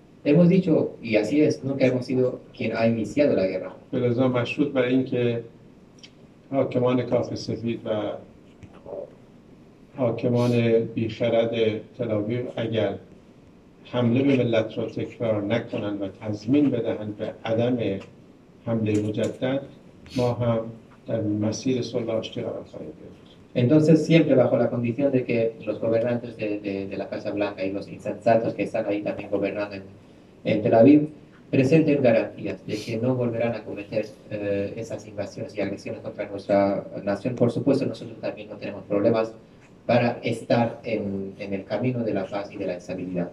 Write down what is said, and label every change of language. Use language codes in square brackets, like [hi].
[es] Hemos dicho, y así es, nunca hemos sido quien ha iniciado la guerra. Pero es [fa] مشروط برای اینکه حاکمان کاخ سفید و حاکمان بیخرد تلاویر اگر حمله به ملت را تکرار نکنند و تضمین بدهند به عدم حمله مجدد ما هم در مسیر صلح آشتی قرار خواهیم گرفت. [es] Entonces siempre bajo la condición de que los gobernantes de la Casa Blanca y los insensatos que están ahí también gobernando en Tel Aviv presenten garantías de que no volverán a cometer esas invasiones y agresiones contra nuestra nación. Por supuesto, nosotros también no tenemos problemas para estar en el camino de la paz y de la estabilidad.